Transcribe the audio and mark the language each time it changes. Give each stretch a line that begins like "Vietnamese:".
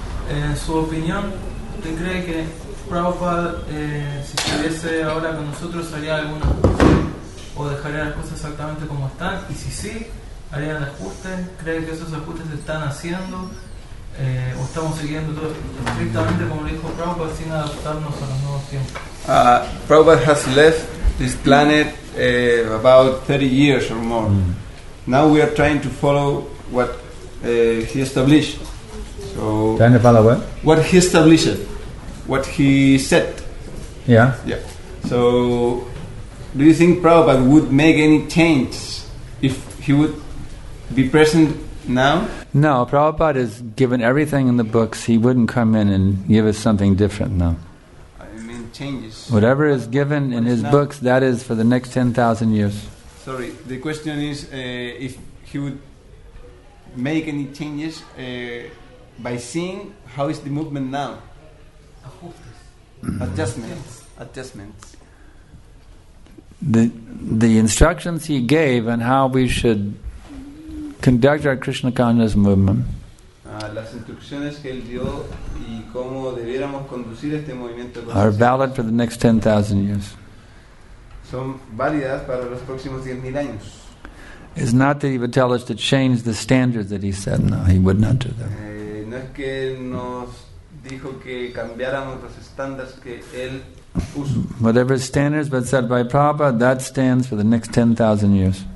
Spanish: En su opinión, ¿usted cree que Prabhupada, si estuviese ahora con nosotros, haría alguna cosa? ¿O dejaría las cosas exactamente como están? Y si sí, ¿harían ajustes? ¿Cree que esos ajustes se están haciendo? o estamos siguiendo todo estrictamente como lo dijo Prabhupada sin adaptarnos a los nuevos tiempos.
English: Prabhupada has left this planet about 30 years or more. Mm. Now we are trying to follow what he established. So trying to follow what? What he established, what he said. Yeah. Yeah. So do you think Prabhupada would make any change if he would be present now? No, Prabhupada has given everything in the books. He wouldn't come in and give us something different, no. Changes. Whatever is given in his books, that is for the next 10,000 years. Sorry, the question is if he would make any changes by seeing how is the movement now? Adjustments. Adjustments. The instructions he gave on how we should conduct our Krishna consciousness movement.
Spanish: Las instrucciones que él dio y cómo debiéramos conducir este movimiento
English: are valid for the next 10,000 years.
Spanish: Son válidas para los próximos 10,000 años.
English: It's not that he would tell us to change the standards that he said. No, he would not do that.
Spanish: No es que nos dijo que cambiáramos los estándares que él puso.
English: Whatever standards were set by Prabhupada, that stands for the next 10,000 years.